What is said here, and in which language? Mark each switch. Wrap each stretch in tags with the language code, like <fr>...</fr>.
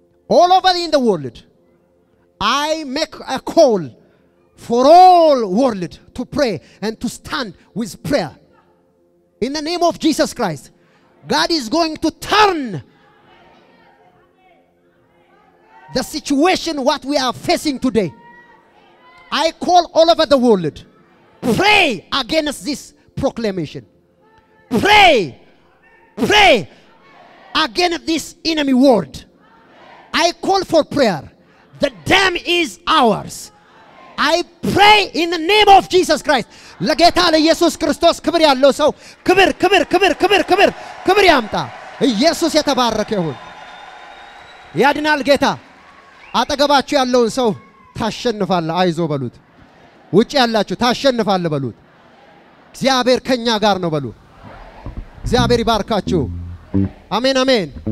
<en>All over in the world I make a call for all world to pray and to stand with prayer in the name of Jesus Christ. God is going to turn the situation what we are facing today. I call all over the world, pray against this proclamation. Pray, pray against this enemy word. I call for prayer. The dam is ours. I pray in the name of Jesus Christ.</en> <am>ለጌታ ለኢየሱስ ክርስቶስ ክብር ያለው ሰው ክብር ክብር ክብር ክብር ክብር ክብር ያምጣ። ኢየሱስ የተባረከ ይሁን። ያድናል ጌታ። አጠገባችሁ ያለውን ሰው ታሸንፋለ አይዞ በሉት። ውጪ ያላችሁ ታሸንፋለ በሉት። እግዚአብሔር ከኛ ጋር ነው በሉ። እግዚአብሔር ይባርካችሁ። አሜን አሜን።</am>